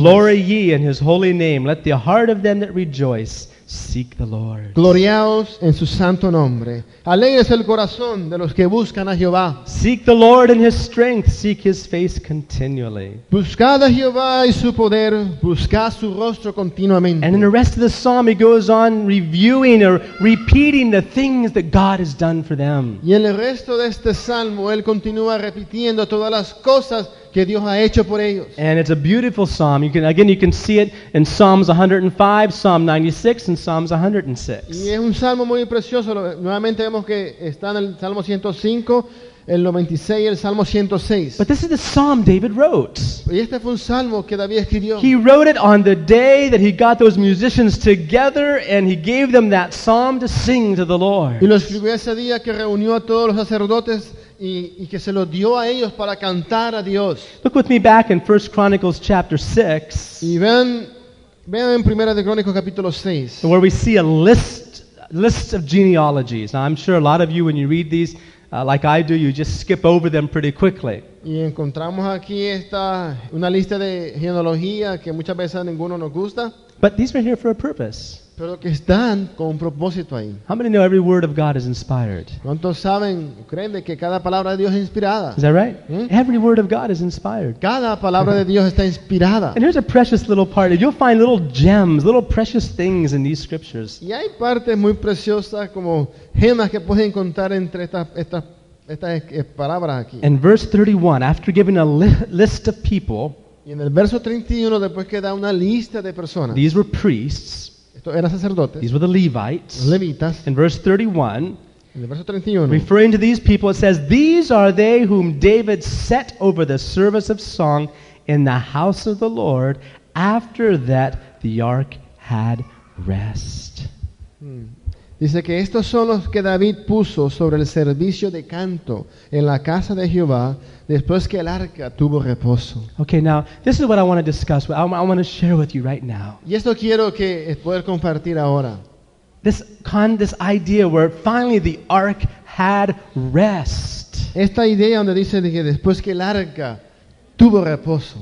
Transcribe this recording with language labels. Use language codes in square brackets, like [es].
[en] Glory ye in his holy name, let the heart of them that rejoice seek the Lord. [es] Gloriaos en su santo nombre, alegres el corazón de los que buscan a Jehová. [en] Seek the Lord in his strength, seek his face continually. [es] Buscad a Jehová y su poder, buscad su rostro continuamente. [en] And in the rest of the psalm he goes on reviewing or repeating the things that God has done for them. [es] Y en el resto de este salmo él continúa repitiendo todas las cosas que Dios ha hecho por ellos. [en] And it's a beautiful psalm. You can, again, you can see it in Psalms 105, Psalm 96, and Psalms 106. [es] Y es un salmo muy precioso. Nuevamente vemos que está en el Salmo 105, el 96 y el Salmo 106. [en] But this is the psalm David wrote. [es] Y este fue un salmo que David escribió. [en] He wrote it on the day that he got those musicians together and he gave them that psalm to sing to the Lord. [es] Y lo escribió ese día que reunió a todos los sacerdotes y que se lo dio a ellos para cantar a Dios. [en] Look with me back in 1 Chronicles chapter 6. [es] Y vean en Primera de Crónicos capítulo 6. [en] Where we see a list of genealogies. Now, I'm sure a lot of you when you read these like I do, you just skip over them pretty quickly. [es] Y encontramos aquí esta una lista de genealogía que muchas veces a ninguno nos gusta. [en] But these are here for a purpose. [es] Pero que están con un propósito ahí. [en] How many know every word of God is inspired? [es] ¿Cuántos saben, creen de que cada palabra de Dios es inspirada? [en] Is that right? Every word of God is inspired. [es] Cada palabra de Dios está inspirada. [en] And here's a precious little part. You'll find little gems, little precious things in these scriptures. [es] Y hay partes muy preciosas como gemas que puedes encontrar entre estas palabras aquí. [en] In verse 31, after giving a list of people, [es] y en el verso 31 después que da una lista de personas. [en] These were priests. These were the Levites. [es] Levitas. [en] In verse 31, [es] en el verso 31, [en] referring to these people, it says, these are they whom David set over the service of song in the house of the Lord after that the ark had rest. [es] Dice que estos son los que David puso sobre el servicio de canto en la casa de Jehová después que el arca tuvo reposo. [en] Okay, now, this is what I want to discuss. I want to share with you right now. [es] Y esto quiero que poder compartir ahora. [en] This idea where finally the ark had rest. [es] Esta idea donde dice que después que el arca tuvo reposo.